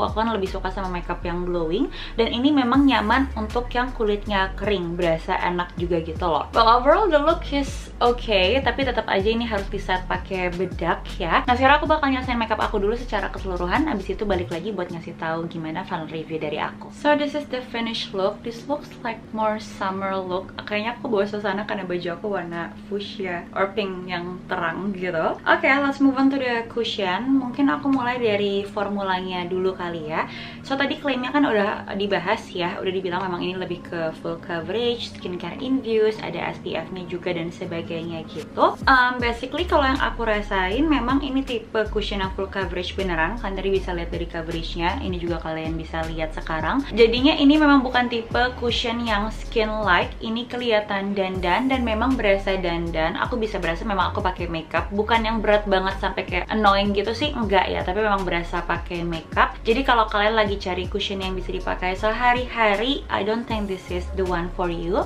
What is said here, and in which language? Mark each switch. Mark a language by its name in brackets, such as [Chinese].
[Indonesian] Aku kan lebih suka sama makeup yang glowing, dan ini memang nyaman untuk yang kulitnya kering, berasa enak juga gitu loh. [English] Well, overall the look is okay, [Indonesian] tapi tetap aja ini harus diset pakai bedak ya. Nah, sekarang aku bakal nyelesain makeup aku dulu secara keseluruhan, abis itu balik lagi buat ngasih tahu gimana final review dari aku. [English] So, this is the finished look. This looks like more summer look. [Indonesian] Kayaknya aku bawa suasana karena baju aku warna fuchsia or pink yang terang gitu. [English] Okay, let's move on to the cushion. [Indonesian] Mungkin aku mulai dari formulanya dulu kali ya. So, tadi klaimnya kan udah dibahas ya, udah dibilang memang ini lebih ke full coverage, skincare infused, ada SPF-nya juga dan sebagainya gitu. Basically kalau yang aku rasain memang ini tipe cushion yang full coverage beneran. Kalian tadi bisa lihat dari coveragenya, ini juga kalian bisa lihat sekarang. Jadinya ini memang bukan tipe cushion yang skin like, ini kelihatan dandan dan memang berasa dandan. Aku bisa berasa memang aku pakai makeup, bukan yang berat banget sampai kayak annoying gitu sih, enggak ya, tapi memang berasa pakai makeup. Jadi kalau kalian lagi cari cushion yang bisa dipakai sehari hari, [English] I don't think this is the one for you.